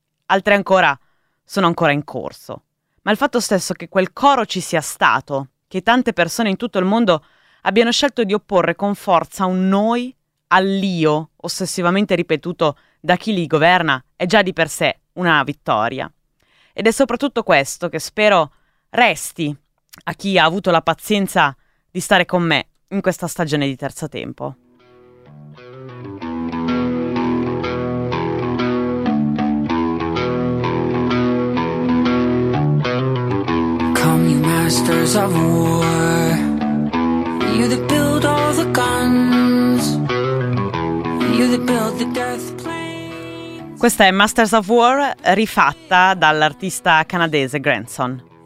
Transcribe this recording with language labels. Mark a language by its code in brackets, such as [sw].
[it] Altre ancora sono ancora in corso. Ma il fatto stesso che quel coro ci sia stato, che tante persone in tutto il mondo abbiano scelto di opporre con forza un noi all'io, ossessivamente ripetuto da chi li governa, è già di per sé una vittoria. Ed è soprattutto questo che spero resti a chi ha avuto la pazienza di stare con me in questa stagione di Terzo Tempo. [en] Come you masters of war, you that build all the guns, you that build the death. [it] Questa è Masters of War, rifatta dall'artista canadese Granson.